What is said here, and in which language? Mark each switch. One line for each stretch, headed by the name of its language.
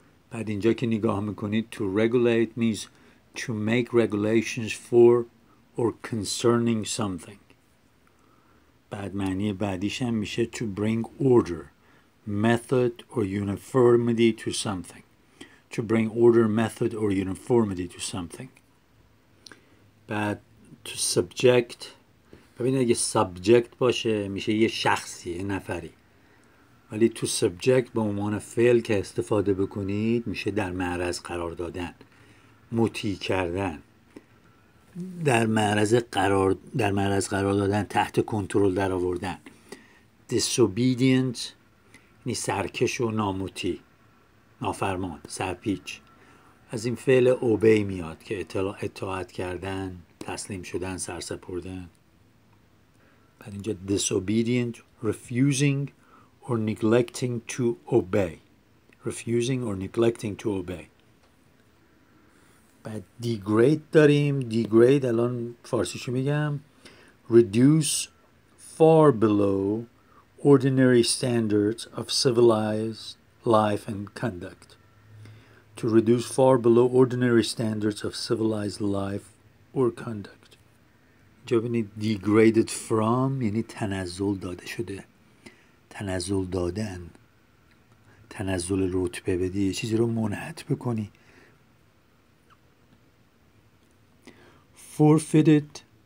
Persian: بعد اینجا که نگاه میکنید
English: To regulate means to make regulations for or concerning something.
Persian: بعد معنی بعدیش هم میشه
English: To bring order, method or uniformity to something. To bring order, method or uniformity to something. بعد to subject.
Persian: ببینید اگه subject باشه میشه یه شخصی، یه نفری. ولی to subject به عنوان فعل که استفاده بکنید میشه در معرض قرار دادن، مطیع کردن. در معرض قرار دادن، تحت کنترل در آوردن. Disobedient یعنی سرکش و ناموتی، نافرمان، سرپیچ. از این فعل obey میاد که اطاعت کردن، تسلیم شدن، سرسپردن. بعد اینجا
English: disobedient, refusing or neglecting to obey. Refusing or neglecting to obey.
Persian: بعد degrade داریم. Degrade الان فارسیش میگم.
English: Reduce far below ordinary standards of civilized life and conduct. To reduce far below ordinary standards of civilized life or conduct.
Persian: جوابی degraded from یعنی تنزل داده شده. تنزل دادن. تنزل رتبه بدی. چیزی رو منحط بکنی.
English: Forfeited.